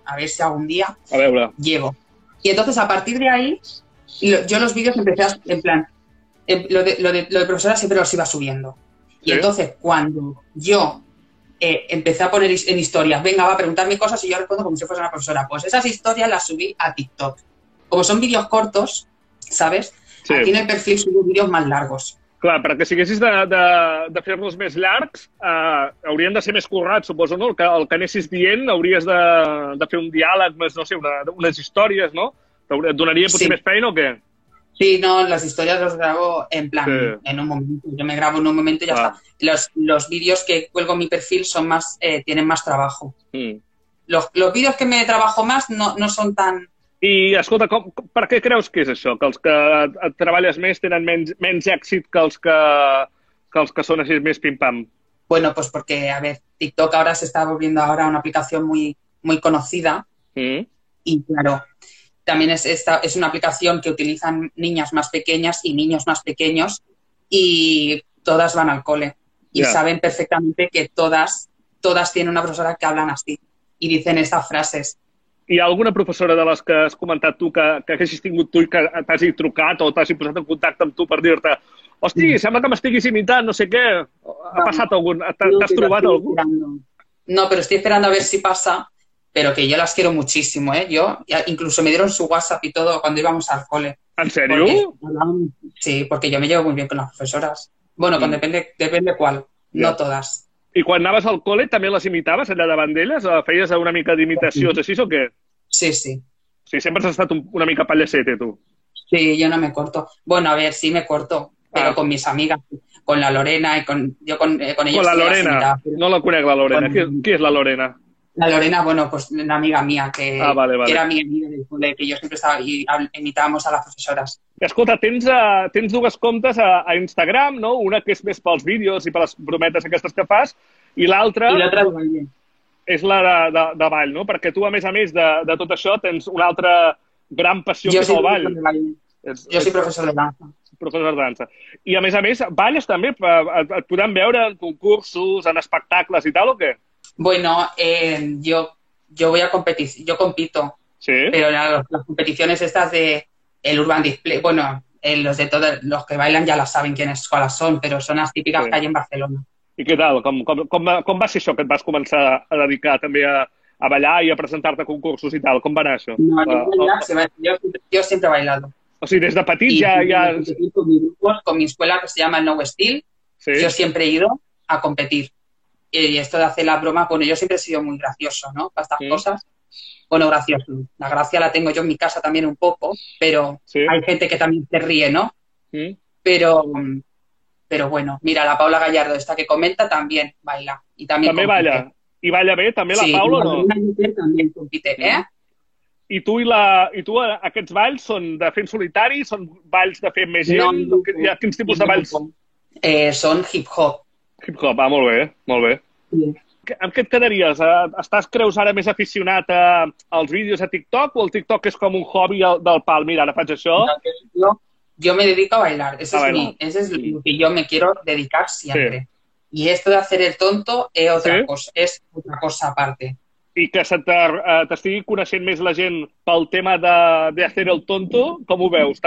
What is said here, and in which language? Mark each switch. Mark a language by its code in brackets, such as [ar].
[es] A ver si algún día llego. Y entonces, a partir de ahí, yo los vídeos empecé en plan, lo de profesora siempre los iba subiendo. Y entonces, cuando yo... empecé a poner en historias, venga, va a preguntarme cosas y yo respondo como si fuese una profesora. Pues esas historias las subí a TikTok. Como son vídeos cortos, ¿sabes? Sí. Aquí en el perfil subo vídeos más largos. [ca] Clar, perquè si haguessis de fer-los més llargs, haurien de ser més currats, suposo, no? El que anessis dient, hauries de fer un diàleg, més, no sé, unes històries, no? Et donaria potser sí. Més feina o què? Sí, no, les històries les grabo en plan, sí. En un moment. [es] Yo me grabo en un moment [ca] i ja està. [es] Los vídeos que cuelgo en mi perfil son más, tienen más trabajo. Mm. Los vídeos que me trabajo más no son tan... [ca] I, escolta, per què creus que és això? Que els que et treballes més tenen menys èxit que els que són així més pim-pam? [es] Bueno, pues porque, a ver, TikTok ahora se está volviendo ahora una aplicación muy, muy conocida. Y, claro, también es una aplicación que utilizan niñas más pequeñas y niños más pequeños y todas van al cole. Y saben perfectamente que todas tienen una profesora que hablan así y dicen estas frases. [ca] Hi ha alguna professora de les que has comentat tu que haguessis tingut tu i que t'hagi trucat o t'hagi posat en contacte amb tu per dir-te hosti, sembla que m'estiguis imitant, no sé què. Ha passat algun? T'has trobat algú? No, però estic esperant a veure si passa, però que jo les [es] quiero muchísimo, [ca] ¿eh? [es] Yo, incluso me dieron su WhatsApp y todo cuando íbamos al cole. ¿En serio? Sí, porque yo me llevo muy bien con las profesoras. Bueno, con depende cuál, no todas. [ca] I quan anaves al col·le també les imitaves allà davant d'elles? Feies una mica d'imitacions així o què? Sí, sí. Sí, sempre has estat una mica pallacete, tu. [es] Sí, jo no me corto. Bueno, a ver, sí me corto, però con mis amigas, con la Lorena y con ellas. [ca] Con la Lorena, no la conec, la Lorena. Qui és la Lorena? [es] La Lorena, bueno, pues una amiga mía que era mi amiga del col·le, [ca] que jo sempre estava [es] i imitàvamos a les professores. [ca] Escolta, tens dues comptes a Instagram, no? Una que és més pels vídeos i per les brometes aquestes que fas, i l'altra és la de ball, no? Perquè tu, a més de tot això, tens una altra gran passió que és el ball. Jo soc professor de dansa. Professor de dansa. I, a més, balles també? Et podem veure en concursos, en espectacles i tal, o què? [es] Bueno, yo voy a competir, yo compito, ¿sí? Pero las competiciones estas de el Urban Display, bueno, los de todos los que bailan ya las saben quiénes cuáles son, pero son las típicas que hay en Barcelona. ¿Y qué tal? [ca] ¿Com va ser això que et vas començar a dedicar també a ballar i a presentar-te a concursos i tal? ¿Com va anar això? [es] No, yo siempre he bailado. [ca] O sigui, des de petit ya... [es] Con mi escuela que se llama el Nou Estil, yo siempre he ido a competir. Y esto de hacer la broma, bueno, yo siempre he sido muy gracioso, ¿no? Para estas cosas. Bueno, gracioso. La gracia la tengo yo en mi casa también un poco, pero hay gente que también se ríe, ¿no? Pero bueno, mira, la Paula Gallardo, esta que comenta, también baila. Y también baila. ¿Y baila bien también la Paula, no? Sí, también compite, ¿eh? [ca] ¿Y tú, aquests balls son de fer en solitari? ¿Son balls de fer més gent? ¿Quins tipus de balls? Son hip-hop. Hip-hop, va, molt bé, molt bé. Amb què et quedaries? Estàs, creus, ara més aficionat als vídeos a TikTok o el TikTok és com un hobby del pal? Mira, ara faig això. [es] Yo me dedico a bailar. Eso es lo que yo me quiero dedicar siempre. Y esto de hacer el tonto es otra cosa aparte. [ca] I que t'estigui coneixent més la gent pel tema de [es] hacer el tonto, [ca] com ho veus?